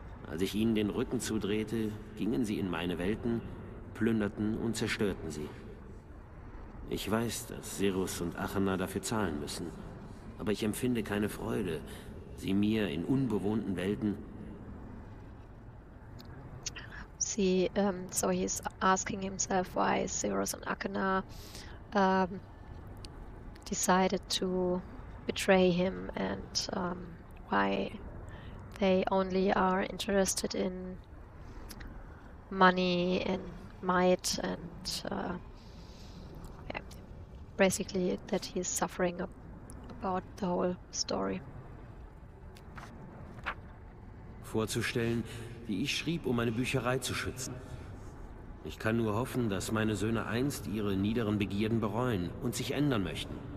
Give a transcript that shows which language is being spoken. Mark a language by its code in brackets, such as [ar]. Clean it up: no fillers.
[de] Als ich ihnen den Rücken zudrehte, gingen sie in meine Welten, plünderten und zerstörten sie. Ich weiß, dass Cirrus und Achena dafür zahlen müssen, aber ich empfinde keine Freude, sie mir in unbewohnten Welten... [en] So he's asking himself, why Cirrus and Achena decided to betray him and why they only are interested in money and might and basically that he's suffering about the whole story. [de] Vorzustellen, wie ich schrieb, um meine Bücherei zu schützen. Ich kann nur hoffen, dass meine Söhne einst ihre niederen Begierden bereuen und sich ändern möchten.